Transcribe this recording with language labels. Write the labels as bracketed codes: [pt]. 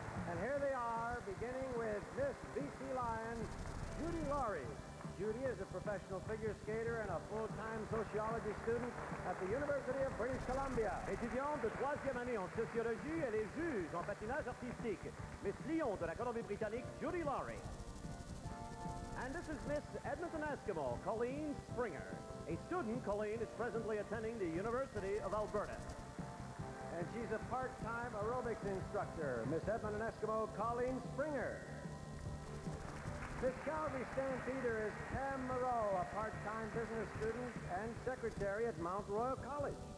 [en] And here they are, beginning with Miss BC Lions, Judy Laurie. Judy is a professional figure skater and a full-time sociology student at the University of British Columbia. [fr] Étudiante de troisième année en sociologie, elle est juge en patinage artistique. Miss Lyon de la Colombie-Britannique, Judy Laurie. [en] And this is Miss Edmonton Eskimo, Colleen Springer. A student, Colleen is presently attending the University of Alberta. And she's a part-time aerobics instructor, Miss Edmonton Eskimo, Colleen Springer. Miss Calgary Stampeder is Pam Moreau, a part-time business student and secretary at Mount Royal College.